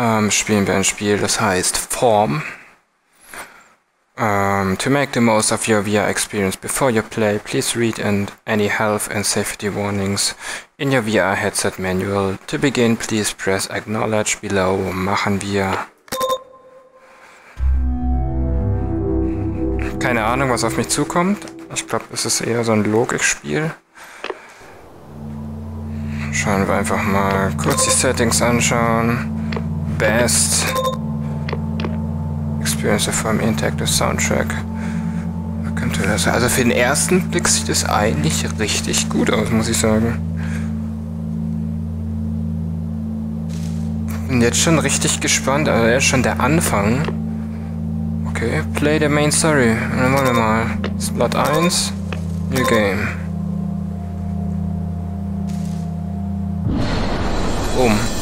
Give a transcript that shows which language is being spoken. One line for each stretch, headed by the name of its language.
German: Spielen wir ein Spiel, das heißt Form.
English: To make the most of your VR experience before you play, please read and any health and safety warnings in your VR headset manual. To begin, please press acknowledge below.
German: Machen wir. Keine Ahnung, was auf mich zukommt. Ich glaube, es ist eher so ein Logikspiel. Schauen wir einfach mal kurz die Settings anschauen.
English: Best Experience of Form Interactive Soundtrack.
German: Könnte das. Also für den ersten Blick sieht es eigentlich richtig gut aus, muss ich sagen. Bin jetzt schon richtig gespannt, also jetzt schon der Anfang.
English: Okay, play the main story.
German: Dann wollen wir mal. Slot 1, New Game. Boom.